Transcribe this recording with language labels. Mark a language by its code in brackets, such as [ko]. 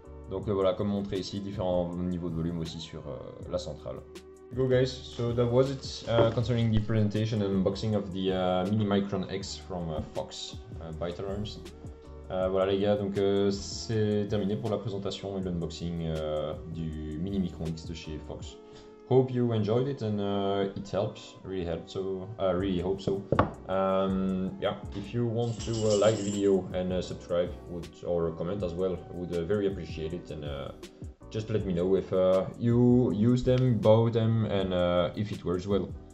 [fr] Donc voilà, comme montré ici, différents niveaux de volume aussi sur la centrale. [en] Go guys, so that was it concerning the presentation and unboxing of the Mini Micron X from Fox, Byte Alarms. [fr] Voilà les gars, donc c'est terminé pour la présentation et l'unboxing du mini Micron X de chez Fox. [en] Hope you enjoyed it and it helps, really helped, so I really hope so. Yeah, if you want to like the video and subscribe would, or comment as well, I would very appreciate it. And just let me know if you use them, bought them and if it works well.